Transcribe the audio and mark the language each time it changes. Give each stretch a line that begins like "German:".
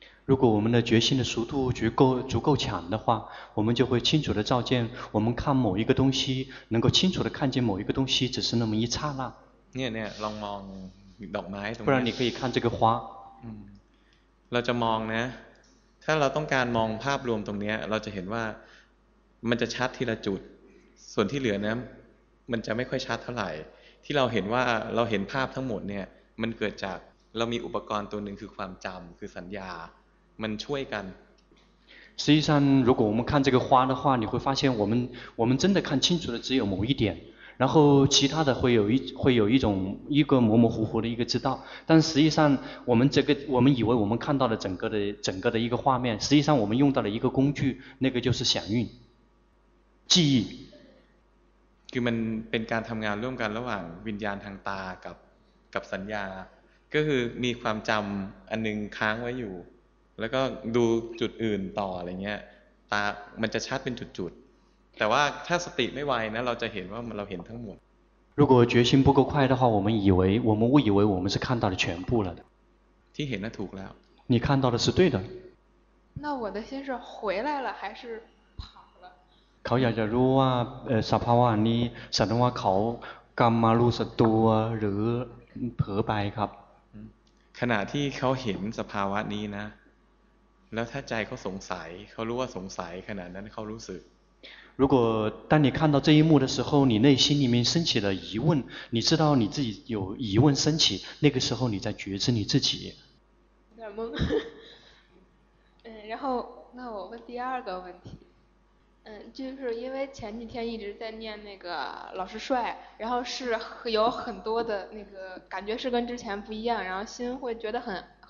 Chinese: 如果我们的觉性的速度足够强的话，我们就会清楚的照见，我们看某一个东西，能够清楚的看见某一个东西，只是那么一刹那。
Thai: เนี่ยลองมองดอกไม้ตรง นี้。
Chinese: 不然你可以看这个花。
Thai: เราจะมองนะถ้าเราต้องการมองภาพรวมตรงนี้เราจะเห็นว่ามันจะชัดทีละจุดส่วนที่เหลือนะมันจะไม่ค่อยชัดเท่าไหร่ที่เราเห็นว่าเราเห็นภาพทั้งหมดเนี่ยมันเกิดจากเรามีอุปกรณ์ตัวหนึ่งคือความจำคือสัญญามันช่วยกัน
Chinese: 实际上如果我们看这个花的话你会发现我们真的看清楚的只有某一点然后其他的会有一个模模糊糊的一个知道但实际上我们以为我们看到了整个的一个画面实际上我们用到了一个工具那个就是响应记忆
Thai: คือมันเป็นการทำงานร่วมกันระหว่างวิญญาณทางตากับสัญญาก็คือมีความจำอันนึงค้างไว้อยู่แล้วก็ดูจุดอื่นต่ออะไรเงี้ยตามันจะชัดเป็นจุดๆแต่ว่าถ้าสติไม่ไวนะเราจะเห็นว่าเราเห็นทั้งหมด
Chinese: 如果觉心不够快的话我们误以为我们是看到了全部了的
Thai: ที่เห็นน่ะถูกแล้ว
Chinese: 你看到的是对的那我的心是回来了还是跑了
Thai: เขาอยากจะรู้ว่าสภาวะนี้สันว่าเขากำมารู้สตัวหรือเผลอไปครับ ขณะที่เขาเห็นสภาวะนี้นะแล้วถ้าใจเขาสงสัยเขารู้ว่าสงสัยขนาดนั้นเขารู้สึก
Chinese: 如果当你看到这一幕的时候你内心里面升起了疑问你知道你自己有疑问升起那个时候你在觉知你自己有点懵然后那我问第二个问题就是因为前几天一直在念那个老师帅然后是有很多的那个感觉是跟之前不一样然后心会觉得很